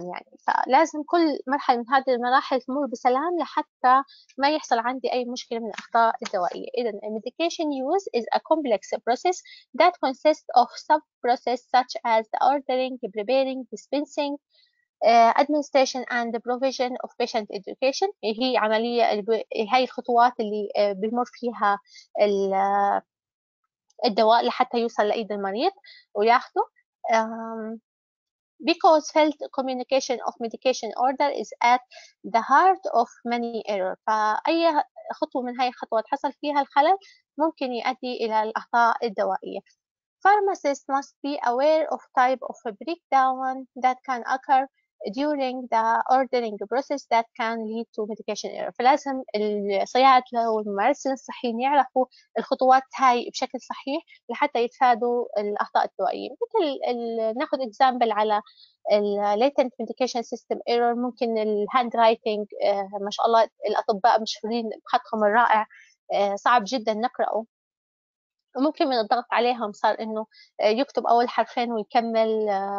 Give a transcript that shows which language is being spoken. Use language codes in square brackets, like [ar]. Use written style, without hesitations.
[ar] يعني فلازم كل مرحلة من هذه المراحل تمر بسلام لحتى ما يحصل عندي أي مشكلة من الأخطاء الدوائية. إذن [en] medication use is a complex process that consists of sub-processes such as the ordering, the preparing, dispensing, administration and the provision of patient education. [ar] هي عملية هاي الخطوات اللي بيمر فيها الدواء لحتى يوصل لأيد المريض وياخده. [en] Because failed communication of medication order is at the heart of many errors. [ar] فأي خطوة من هاي الخطوات حصل فيها الخلل ممكن يؤدي إلى الأخطاء الدوائية. [en] Pharmacists must be aware of type of breakdown that can occur during the ordering process that can lead to medication error. [ar] فلازم الصيادلة والممارسين الصحيين يعرفوا الخطوات هاي بشكل صحيح لحتى يتفادوا الأخطاء الدوائية. مثل ناخذ example على ال [en] latent medication system error، [ar] ممكن ال handwriting، ما شاء الله الأطباء مشهورين بخطهم الرائع، صعب جدا نقرأه، وممكن من الضغط عليهم صار إنه يكتب أول حرفين ويكمل